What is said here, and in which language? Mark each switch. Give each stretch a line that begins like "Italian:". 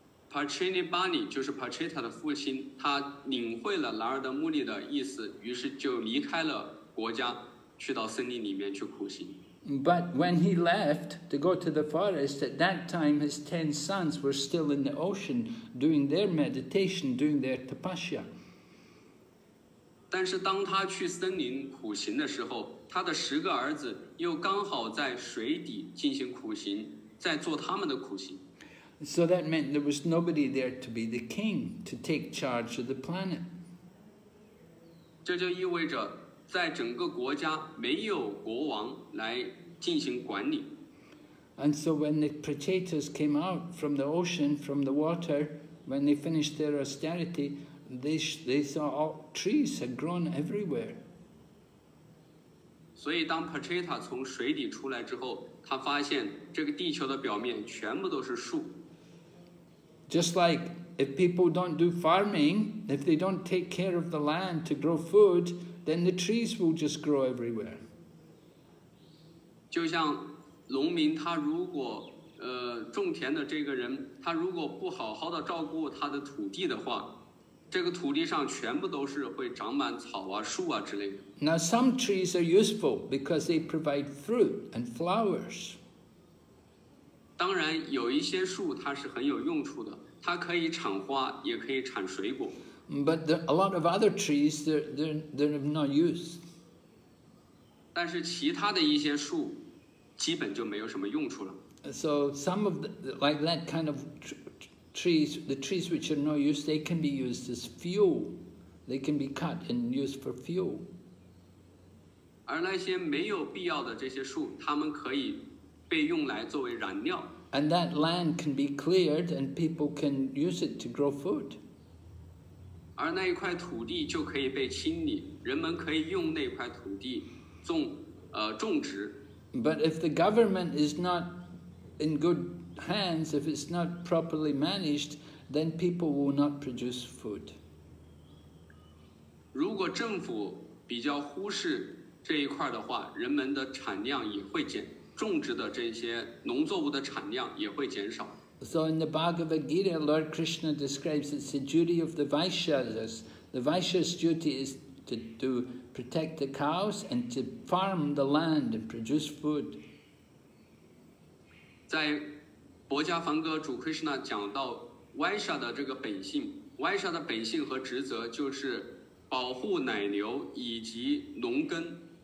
Chinese: Prachinibari 就是 Pracheta 的父亲，他领会了 Narada Muni 的意思，于是就离开了国家，去到森林里面去苦行。
English: But when he left to go to the forest, at that time his 10 sons were still in the ocean doing their meditation, doing their tapasya.
Chinese: 但是当他去森林苦行的时候，他的十个儿子又刚好在水底进行苦行，在做他们的苦行。
English: So that meant there was nobody there to be the king to take charge of the planet.
Chinese: 这就意味着在整个国家没有国王来进行管理。
English: And so when the Prachetas came out from the ocean, from the water, when they finished their austerity, they saw all trees had grown everywhere.
Chinese: 所以当 Pracheta 从水底出来之后，他发现这个地球的表面全部都是树。
English: Just like if people don't do farming, if they don't take care of the land to grow food,then the trees will just grow everywhere.
Chinese: 就像农民他如果种田的这个人，他如果不好好的照顾他的土地的话，这个土地上全部都是会长满草啊、树啊之类的。
English: Now some trees are useful because they provide fruit and flowers.
Chinese: 当然有一些树它是很有用处的，它可以产花，也可以产水果。
English: But there, a lot of other trees, they're of no use.
Chinese: 但是其他的一些树基本就没有什么用处了。
English: So some of the, like that kind of trees, the trees which are no use, they can be used as fuel. They can be cut and used for fuel.
Chinese: 而那些没有必要的这些树，它们可以被用来作为燃料。
English: And that land can be cleared and people can use it to grow food.
Chinese: 而那一块土地就可以被清理，人们可以用那块土地种，种植。
English: But if the government is not in good hands, if it's not properly managed, then people will not produce food.
Chinese: 如果政府比较忽视这一块的话，人们的产量也会减，种植的这些农作物的产量也会减少。
English: So in the Bhagavad Gita, Lord Krishna describes it's the duty of the Vaishyas. The Vaishyas' duty is to protect the cows and to farm the land and produce food.
Chinese: 在薄伽梵歌主 Krishna 讲到 Vaishya 的这个本性， Vaishya 的本性和职责就是保护奶牛以及农耕。